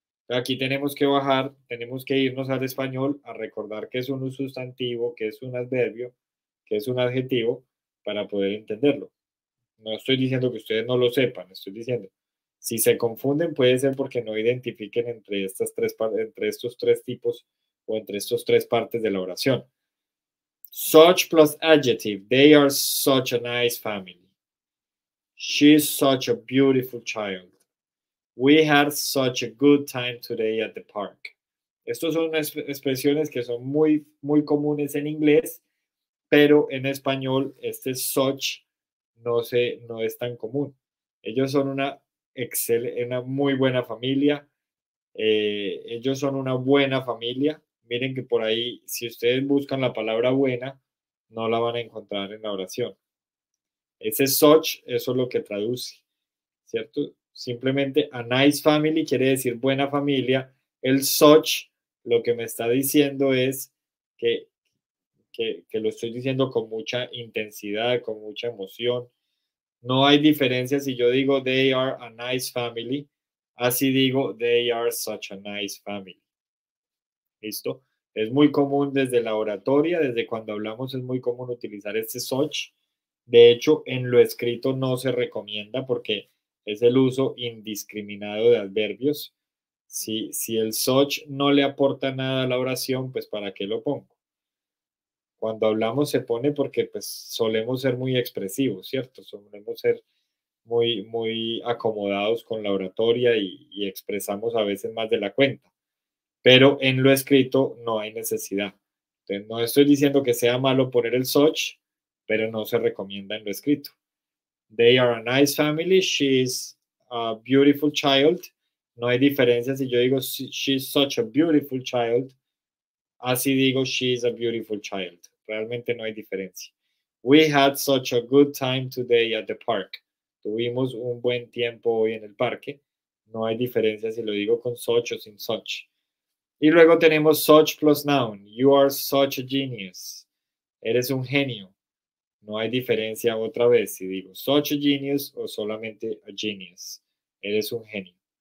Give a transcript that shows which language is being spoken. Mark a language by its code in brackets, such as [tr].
[es] Aquí tenemos que bajar, tenemos que irnos al español a recordar qué es un sustantivo, qué es un adverbio, qué es un adjetivo, para poder entenderlo. No estoy diciendo que ustedes no lo sepan, estoy diciendo, si se confunden puede ser porque no identifiquen entre estos tres tipos o entre estas tres partes de la oración. [en] Such plus adjective, they are such a nice family. She's such a beautiful child. We had such a good time today at the park. [es] Estas son expresiones que son muy, muy comunes en inglés, pero en español este such no es tan común. Ellos son una muy buena familia. Ellos son una buena familia. Miren que por ahí, si ustedes buscan la palabra buena, no la van a encontrar en la oración. Ese such, eso es lo que traduce, ¿cierto? Simplemente [en] a nice family [es] quiere decir buena familia. El such lo que me está diciendo es que lo estoy diciendo con mucha intensidad, con mucha emoción. No hay diferencia si yo digo [en] they are a nice family. [es] Así digo [en] they are such a nice family. [es] ¿Listo? Es muy común desde la oratoria, desde cuando hablamos es muy común utilizar este such. De hecho, en lo escrito no se recomienda porque es el uso indiscriminado de adverbios. Si el such no le aporta nada a la oración, pues ¿para qué lo pongo? Cuando hablamos se pone porque pues, solemos ser muy expresivos, ¿cierto? Solemos ser muy, muy acomodados con la oratoria y expresamos a veces más de la cuenta. Pero en lo escrito no hay necesidad. Entonces, no estoy diciendo que sea malo poner el such, pero no se recomienda en lo escrito. [en] They are a nice family. She is a beautiful child. [es] No hay diferencia si yo digo [en] she's such a beautiful child. [es] Así digo [en] she's a beautiful child. [es] Realmente no hay diferencia. [en] We had such a good time today at the park. [es] Tuvimos un buen tiempo hoy en el parque. No hay diferencia si lo digo con such o sin such. Y luego tenemos such plus noun. [en] You are such a genius. [es] Eres un genio. No hay diferencia otra vez si digo [en] such a genius [es] o solamente a genius. Eres un genio.